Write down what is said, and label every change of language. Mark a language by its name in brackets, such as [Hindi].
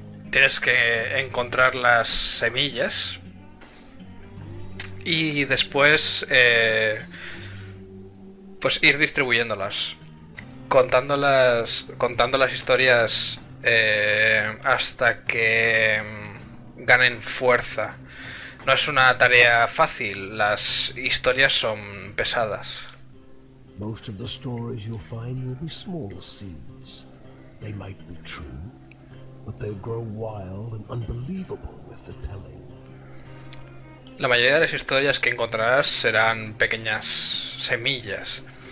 [Spanish] Tienes que encontrar las semillas y después pues ir distribuyéndolas, contando las historias hasta que ganen fuerza. No es una tarea fácil, las historias son pesadas. [English] Most of the stories you'll find will be small seeds. They might be true, but they'll grow wild and unbelievable with the telling. [Spanish] La mayoría de las historias que encontrarás serán pequeñas semillas.